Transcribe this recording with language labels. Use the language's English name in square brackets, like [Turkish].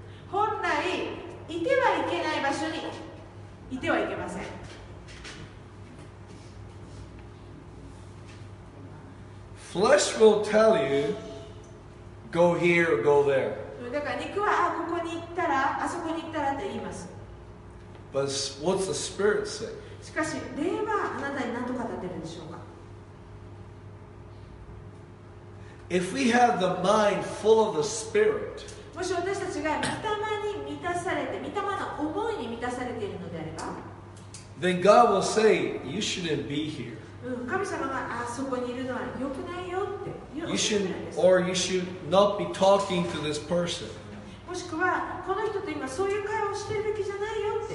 [Japanese] 本来いてはいけない場所にいてはいけません。 [English] Flesh will tell you, go here or go there. [Japanese] だから肉はあここに行ったらあそこに行ったらって言います。 [English] But what's the Spirit say? [Japanese] しかし霊はあなたに何と語ってるんでしょうか。 [English] If we have the mind full of the Spirit, [Japanese] もし私たちが御霊に満たされて、御霊の思いに満たされているのであれば、 [English] then God will say, you shouldn't be here. [Japanese] 神様があそこにいるのは良くないよって言う。 [English] You should, or you should not be talking to this person. [Japanese] もしくはこの人と今そういう会話をしているべきじゃないよ。